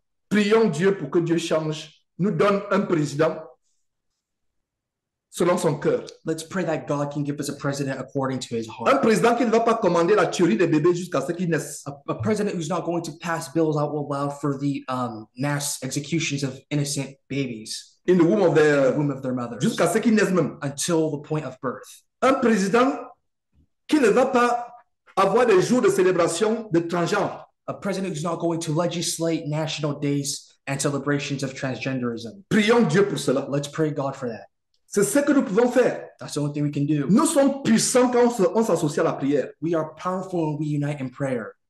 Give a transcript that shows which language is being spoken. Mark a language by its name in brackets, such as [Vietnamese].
[French] Prions Dieu pour que Dieu change, nous donne un président selon son cœur. [English] Let's pray that God can give us a president according to his heart. [French] Un président qui ne va pas commander la tuerie des bébés jusqu'à ce qu'ils naissent. [English] A president who's not going to pass bills out will allow for the mass executions of innocent babies. In the womb of their, in the womb of their mothers. [French] Jusqu'à ce qu'ils naissent même. [English] Until the point of birth. [French] Un président qui ne va pas avoir des jours de célébration de transgenre. [English] A president who's not going to legislate national days and celebrations of transgenderism. [French] Prions Dieu pour cela. [English] Let's pray God for that. [French] C'est ce que nous pouvons faire. [English] That's the only thing we can do. [French] Nous sommes puissants quand on s'associe à la prière. [English] We are powerful when we unite in prayer.